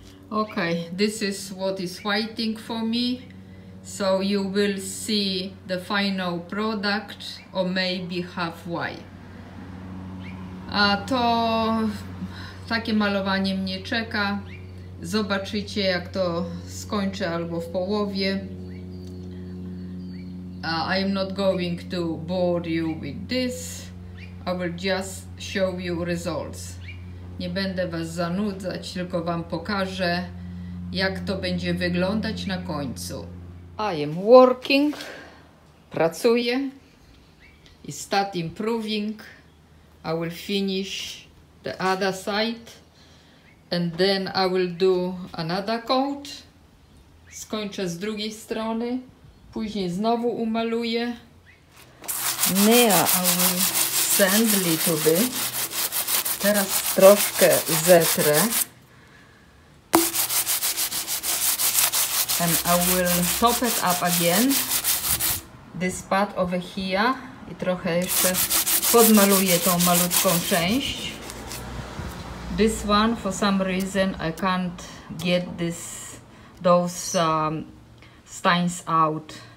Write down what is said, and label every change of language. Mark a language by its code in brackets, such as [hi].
[en] Okay, this is what is waiting for me. So you will see the final product or maybe halfway. [pl] A to takie malowanie mnie czeka. Zobaczycie, jak to skończę albo w połowie. [en] I am not going to bore you with this. I will just show you results. [pl] Nie będę was zanudzać, tylko wam pokażę, jak to będzie wyglądać na końcu. [en] I am working, [pl] pracuję, [en] i start improving. I will finish the other side and then I will do another coat. [pl] Skończę z drugiej strony, później znowu umaluję. [en] Now I will sand a little bit. [pl] Teraz troszkę zetrę. [en] And I will top it up again. This part over here. [pl] I trochę jeszcze podmaluję tą malutką część. [en] This one, for some reason, I can't get this, those stains out.